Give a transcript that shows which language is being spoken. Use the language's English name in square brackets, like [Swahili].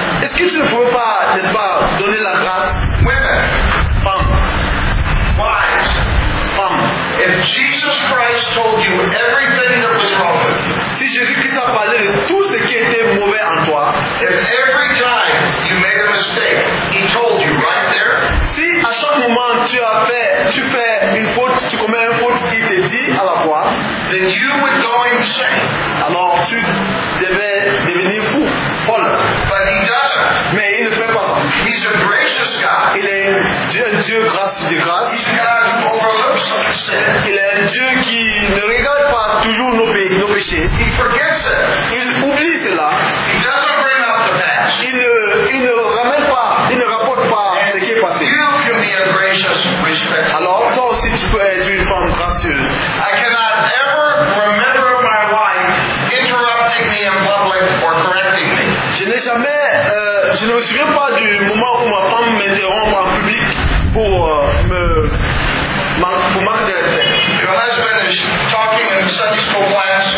[French] Est-ce que tu ne pouvais pas, n'est-ce pas, donner la grâce? [English] Women. [French] Femme. [English] Wives. [French] Femme. [English] If Jesus Christ told you everything that was wrong with you. [French] Si Jésus-Christ a parlé de tout ce qui était mauvais en toi. [English] If every time you made a mistake, he told you right there. [French] Si à chaque moment tu fais une faute, tu commets une faute, il te dit à la fois. [English] Then you would go insane. [French] Alors tu devais devenir fou, folle. [English] But he doesn't. [French] Mais il ne fait pas ça. [English] He's a gracious God. [French] Il est Dieu grâce de grâce. [English] He's a God who overlooks some sin. [French] Il est un Dieu qui ne regarde pas toujours nos péchés. [English] He forgets it. [French] Il oublie cela. [English] He doesn't bring up the past. [French] Il ne ramène pas, il ne rapporte pas [English] and [French] ce qui est passé. [English] You can be a gracious, respectful. [French] Alors toi aussi tu peux être une femme gracieuse. [English] I cannot ever remember my wife interrupting me in public or correcting me. [French] Je n'ai jamais, je ne me souviens pas du moment où ma femme m'interrompt en public pour manquer de respect. [English] Your husband is talking in Sunday school class.